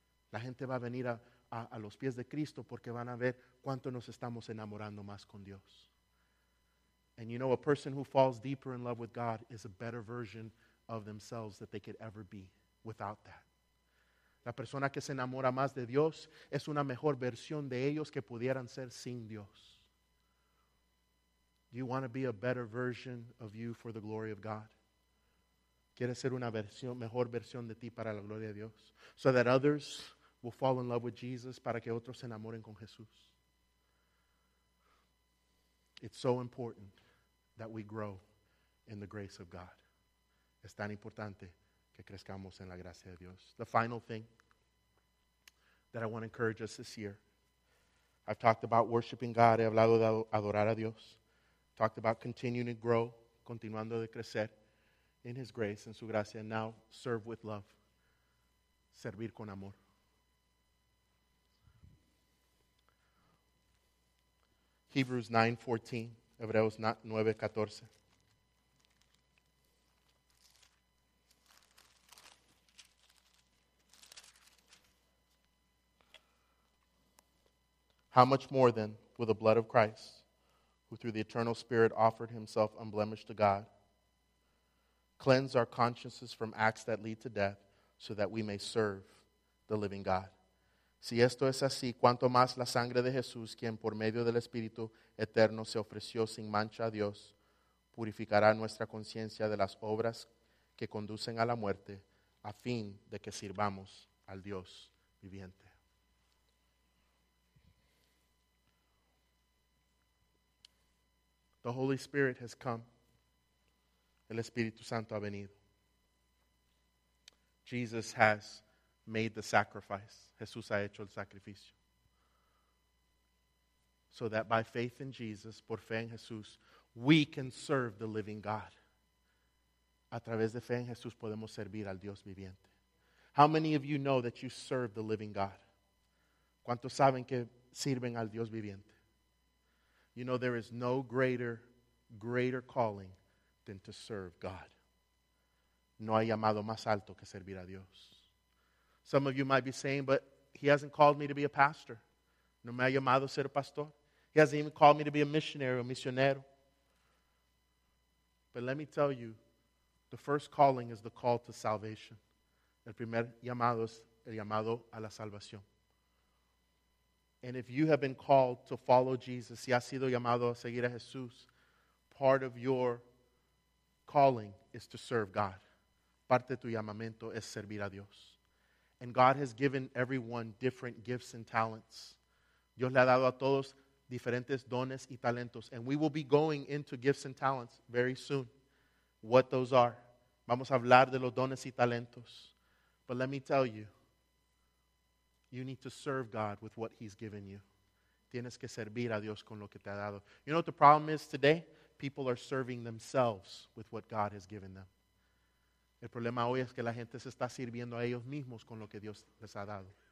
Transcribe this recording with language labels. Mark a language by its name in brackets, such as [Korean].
[Spanish] La gente va a venir a los pies de Cristo porque van a ver cuánto nos estamos enamorando más con Dios. [English] And you know, a person who falls deeper in love with God is a better version of themselves that they could ever be without that. [Spanish] La persona que se enamora más de Dios es una mejor versión de ellos que pudieran ser sin Dios. [English] Do you want to be a better version of you for the glory of God? [Spanish] ¿Quieres ser una versión, mejor versión de ti para la gloria de Dios? [English] So that others will fall in love with Jesus, [Spanish] para que otros se enamoren con Jesús. [English] It's so important that we grow in the grace of God. [Spanish] Es tan importante que crezcamos en la gracia de Dios. [English] The final thing that I want to encourage us this year. I've talked about worshiping God. [Spanish] He hablado de adorar a Dios. [English] Talked about continuing to grow, [Spanish] continuando de crecer [English] in His grace, [Spanish] en su gracia. [English] And now, serve with love. [Spanish] Servir con amor. [English] Hebrews 9:14. Hebreos 9:14. How much more then will the blood of Christ, who through the eternal Spirit offered Himself unblemished to God, cleanse our consciences from acts that lead to death, so that we may serve the living God. [Spanish] Si esto es así, cuanto más la sangre de Jesús, quien por medio del Espíritu Eterno se ofreció sin mancha a Dios, purificará nuestra conciencia de las obras que conducen a la muerte, a fin de que sirvamos al Dios viviente. [English] The Holy Spirit has come. [Spanish] El Espíritu Santo ha venido. [English] Jesus has made the sacrifice. [Spanish] Jesús ha hecho el sacrificio. [English] So that by faith in Jesus, [Spanish] por fe en Jesús, [English] we can serve the living God. [Spanish] A través de fe en Jesús podemos servir al Dios viviente. [English] How many of you know that you serve the living God? [Spanish] ¿Cuántos saben que sirven al Dios viviente? [English] You know, there is no greater calling than to serve God. [Spanish] No hay llamado más alto que servir a Dios. [English] Some of you might be saying, but he hasn't called me to be a pastor. [Spanish] No me ha llamado ser pastor. [English] He hasn't even called me to be a missionary or misionero. But let me tell you, the first calling is the call to salvation. [Spanish] El primer llamado es el llamado a la salvación. [English] And if you have been called to follow Jesus, [Spanish] si has sido llamado a seguir a Jesús, [English] part of your calling is to serve God. [Spanish] Parte de tu llamamiento es servir a Dios. [English] And God has given everyone different gifts and talents. [Spanish] Dios le ha dado a todos diferentes dones y talentos. [English] And we will be going into gifts and talents very soon. What those are. [Spanish] Vamos a hablar de los dones y talentos. [English] But let me tell you, you need to serve God with what he's given you. [Spanish] Tienes que servir a Dios con lo que te ha dado. [English] You know what the problem is today? People are serving themselves with what God has given them. [Spanish] El problema hoy es que la gente se está sirviendo a ellos mismos con lo que Dios les ha dado.